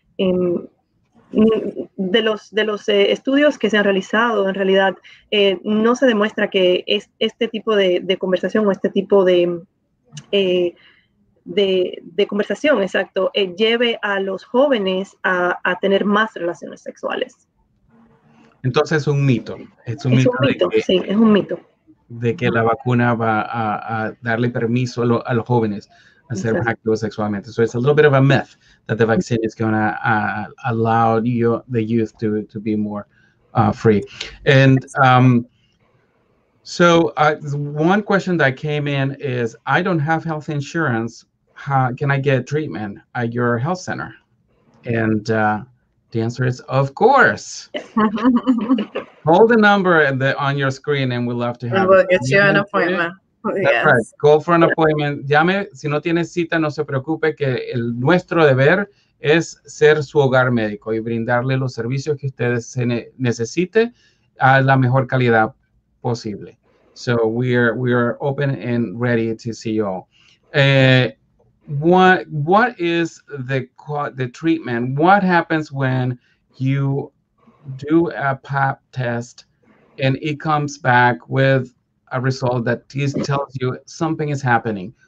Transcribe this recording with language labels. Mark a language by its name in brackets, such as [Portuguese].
[Spanish] De los estudios que se han realizado, en realidad, no se demuestra que este tipo de conversación o este tipo de conversación, exacto, lleve a los jóvenes a tener más relaciones sexuales. Entonces es un mito. Es un mito. De que la vacuna va a darle permiso a los jóvenes a ser más activos sexualmente. [English] So it's a little bit of a myth that the vaccine is going to allow the youth to be more free. And one question that came in is, I don't have health insurance. How can I get treatment at your health center? And the answer is, of course. Hold the number on your screen and we'd love to have we'll get you an appointment. That's right. Go for an appointment. [Spanish] Llame. Si no tienes cita, no se preocupe, que nuestro deber es ser su hogar médico y brindarle los servicios que usted necesite a la mejor calidad posible. [English] So we are open and ready to see you all. What is the treatment? What happens when you do a pap test and it comes back with a result that tells you something is happening?